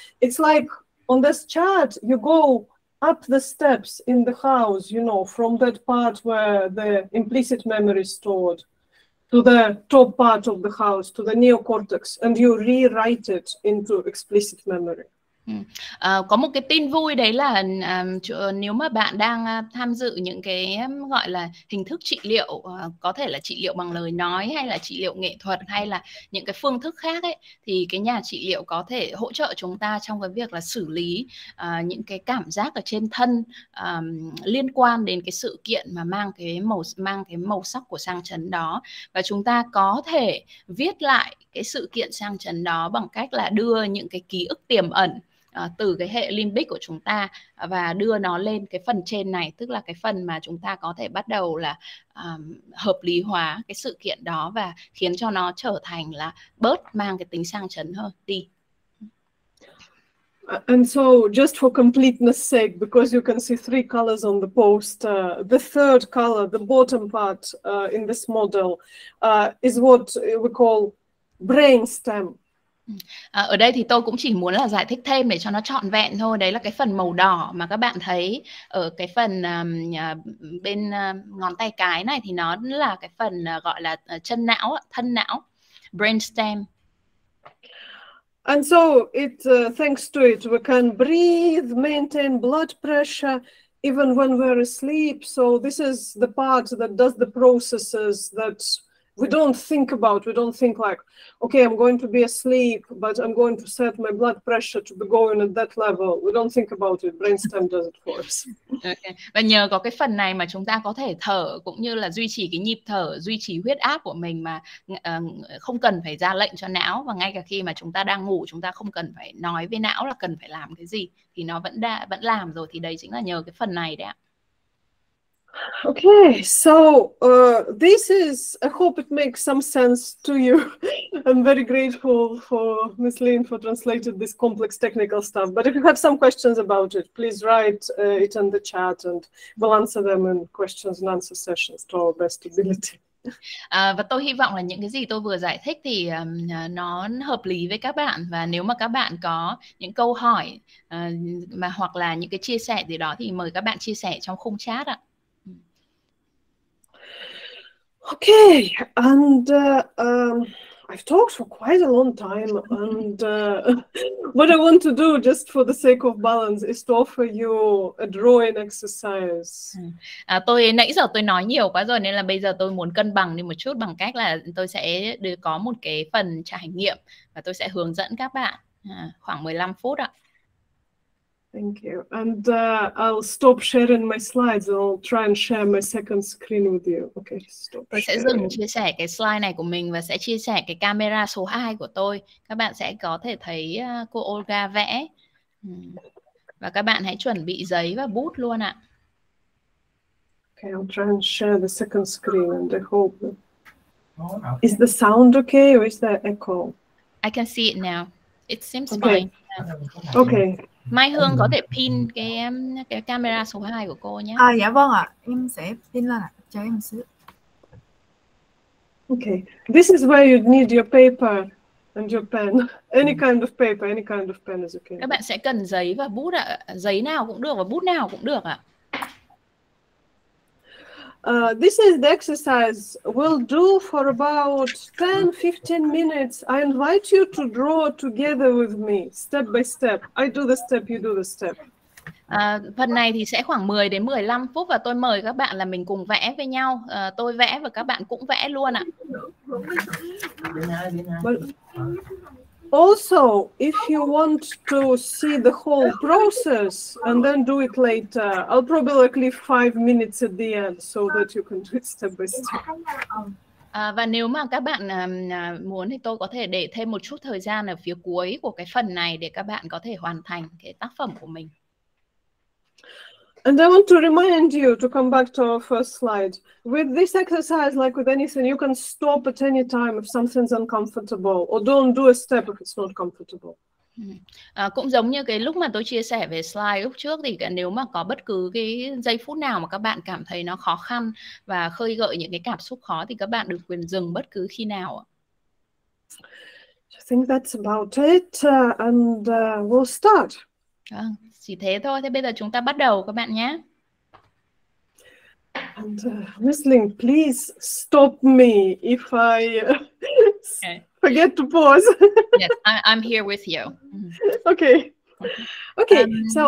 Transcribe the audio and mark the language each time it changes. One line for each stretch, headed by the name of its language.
English: It's like on this chart, you go up the steps in the house, you know, from that part where the implicit memory is stored, to the top part of the house, to the neocortex, and you rewrite it into explicit memory.
Vietnamese: Có một cái tin vui đấy là nếu mà bạn đang tham dự những cái gọi là hình thức trị liệu, có thể là trị liệu bằng lời nói hay là trị liệu nghệ thuật hay là những cái phương thức khác ấy, thì cái nhà trị liệu có thể hỗ trợ chúng ta trong cái việc là xử lý những cái cảm giác ở trên thân liên quan đến cái sự kiện mà mang cái màu sắc của sang chấn đó, và chúng ta có thể viết lại cái sự kiện sang chấn đó bằng cách là đưa những cái ký ức tiềm ẩn từ cái hệ limbic của chúng ta và đưa nó lên cái phần trên này, tức là cái phần mà chúng ta có thể bắt đầu là hợp lý hóa cái sự kiện đó và khiến cho nó trở thành là bớt mang cái tính sang chấn hơn đi.
English: And so just for completeness sake, because you can see three colors on the poster, the third color, the bottom part in this model is what we call brainstem.
Vietnamese: Ở đây thì tôi cũng chỉ muốn là giải thích thêm để cho nó trọn vẹn thôi. Đấy là cái phần màu đỏ mà các bạn thấy ở cái phần bên ngón tay cái này, thì nó là cái phần gọi là chân não, thân não, brainstem.
English: And so it thanks to it we can breathe, maintain blood pressure even when we're asleep. So this is the part that does the processes that we don't think about. We don't think like, okay, I'm going to be asleep, but I'm going to set my blood pressure to be going at that level. We don't think about it. Brainstem does it for us. Okay.
Vietnamese: Và nhờ có cái phần này mà chúng ta có thể thở cũng như là duy trì cái nhịp thở, duy trì huyết áp của mình mà không cần phải ra lệnh cho não, và ngay cả khi mà chúng ta đang ngủ, chúng ta không cần phải nói với não là cần phải làm cái gì, thì nó vẫn làm rồi. Thì đấy chính là nhờ cái phần này đấy ạ.
English: Okay, so this is, I hope it makes some sense to you. I'm very grateful for Ms. Lynn for translating this complex technical stuff. But if you have some questions about it, please write it in the chat and we'll answer them in questions and answer sessions to our best ability.
Vietnamese: Và tôi hy vọng là những cái gì tôi vừa giải thích thì nó hợp lý với các bạn, và nếu mà các bạn có những câu hỏi mà hoặc là những cái chia sẻ gì đó thì mời các bạn chia sẻ trong khung chat ạ.
English: Okay, and I've talked for quite a long time, and what I want to do, just for the sake of balance, is to offer you a drawing exercise.
Vietnamese: À, tôi nãy giờ tôi nói nhiều quá rồi nên là bây giờ tôi muốn cân bằng đi một chút bằng cách là tôi sẽ được có một cái phần trải nghiệm và tôi sẽ hướng dẫn các bạn khoảng 15 phút ạ.
English: Thank you. And I'll stop sharing my slides. I'll try and share my second screen with you. Okay, stop.
Vietnamese: Tôi sẽ dừng chia sẻ cái slide này của mình và sẽ chia sẻ cái camera số 2 của tôi. Các bạn sẽ có thể thấy cô Olga vẽ. Và các bạn hãy chuẩn bị giấy và bút luôn ạ.
English: Okay, I'll try and share the second screen and I hope. Is the sound okay or is there echo? I can see it now. It seems okay. Fine. Okay.
Vietnamese: Mai Hương có thể pin cái camera số 2 của cô nhé. À dạ vâng ạ, em sẽ pin lên ạ. Chờ em xíu.
English: Okay, this is where you need your paper and your pen. Any kind of paper, any kind of pen is okay.
Vietnamese: Các bạn sẽ cần giấy và bút ạ. Giấy nào cũng được và bút nào cũng được ạ.
English: This is the exercise. We'll do for about 10-15 minutes. I invite you to draw together with me, step by step. I do the step, you do the step.
Vietnamese: Phần này thì sẽ khoảng 10 đến 15 phút và tôi mời các bạn là mình cùng vẽ với nhau. Tôi vẽ và các bạn cũng vẽ luôn ạ.
English: Also, if you want to see the whole process and then do it later, I'll probably leave 5 minutes at the end so that you can do it step by step.
Vietnamese: Và nếu mà các bạn muốn thì tôi có thể để thêm một chút thời gian ở phía cuối của cái phần này để các bạn có thể hoàn thành cái tác phẩm của mình.
English: And I want to remind you to come back to our first slide. With this exercise, like with anything, you can stop at any time if something's uncomfortable, or don't do a step if it's not comfortable.
Vietnamese: Cũng giống như cái lúc mà tôi chia sẻ về slide lúc trước thì nếu mà có bất cứ cái giây phút nào mà các bạn cảm thấy nó khó khăn và khơi gợi những cái cảm xúc khó thì các bạn được quyền dừng bất cứ khi nào.
English: I think that's about it, and we'll start.
Vietnamese: Chỉ thế thôi. Thế bây giờ chúng ta bắt đầu các bạn nhé.
English: And Miss Ling, please stop me if I forget to pause. Yes, I'm here with you. Okay. Okay. So